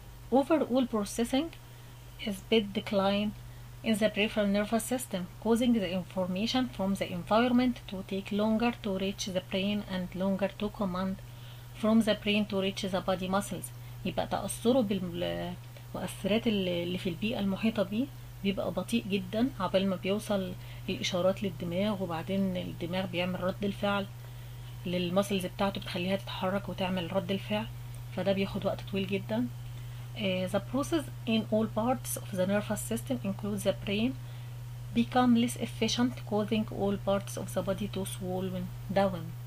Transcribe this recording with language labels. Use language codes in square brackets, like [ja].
[en] Overall processing is bit decline in the peripheral nervous system causing the information from the environment to take longer to reach the brain and longer to command from the brain to reach the body muscles. [ar] يبقى تأثره بالمؤثرات اللي في البيئة المحيطة بيه بيبقى بطيء جدا عبال ما بيوصل الإشارات للدماغ، وبعدين الدماغ بيعمل رد الفعل للمسلز بتاعته بتخليها تتحرك وتعمل رد الفعل، فده بياخد وقت طويل جدا. [en] The process in all parts of the nervous system includes the brain become less efficient causing all parts of the body to swell down.